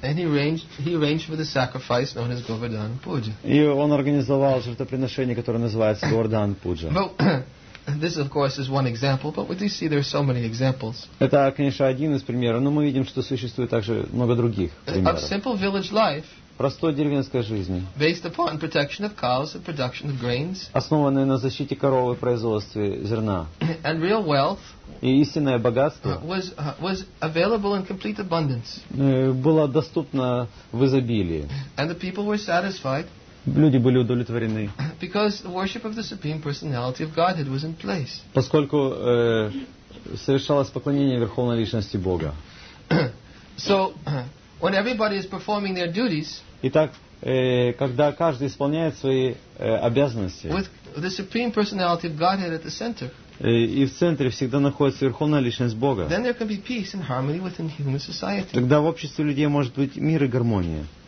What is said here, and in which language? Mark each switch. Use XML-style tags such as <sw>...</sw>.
<en>And he arranged for the sacrifice known as Govardhan Puja.</en> <ru>И он организовал жертвоприношение, которое называется Govardhan Puja.</ru> <en>This, of course, is one example, but we do see there are so many examples.</en> <ru>Это, конечно, один из примеров, но мы видим, что существует также много других примеров.</ru> <en>Of simple village life.</en> <ru>Простой деревенской жизни.</ru> <en>Based upon protection of cows and production of grains.</en> <ru>Основанной на защите коровы, производстве зерна.</ru> <en>And real wealth.</en> <ru>И истинное богатство.</ru> <en>Was available in complete abundance.</en> <ru>Было доступно в изобилии.</ru> <en>And the people were satisfied.</en> <ru>Люди были удовлетворены.</ru> <en>Because the worship of the Supreme Personality of Godhead was in place.</en> <ru>Поскольку совершалось поклонение Верховной Личности Бога.</ru> <en>So, when everybody is performing their duties,</en> <ru>итак, когда каждый исполняет свои обязанности,</ru> <en>with the Supreme Personality of Godhead at the center,</en> <ru>и в центре всегда находится Верховная Личность Бога,</ru> <en>then there can be peace and harmony within human society.</en> <ru>Тогда в обществе людей может быть мир и гармония.</ru>